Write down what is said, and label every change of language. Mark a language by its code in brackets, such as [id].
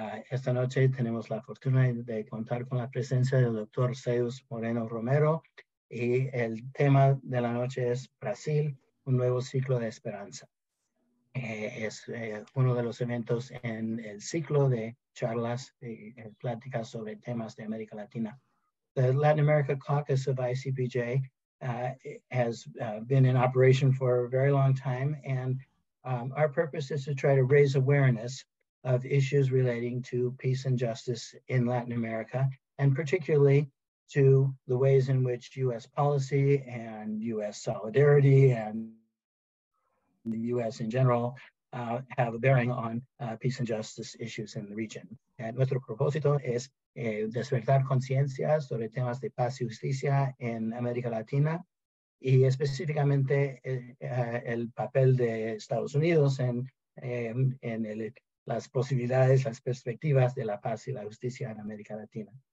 [es] Esta noche tenemos la fortuna de contar con la presencia del Dr. Zeus Moreno Romero y el tema de la noche es Brasil, un nuevo ciclo de esperanza. Es uno de los eventos en el ciclo de charlas y pláticas sobre temas de América Latina. [en] The Latin America Caucus of ICPJ has been in operation for a very long time and our purpose is to try to raise awareness of issues relating to peace and justice in Latin America, and particularly to the ways in which US policy and US solidarity and the US in general have a bearing on peace and justice issues in the region. [es] And nuestro propósito es despertar conciencia sobre temas de paz y justicia en América Latina, y específicamente el papel de Estados Unidos en el las posibilidades, las perspectivas de la paz y la justicia en América Latina.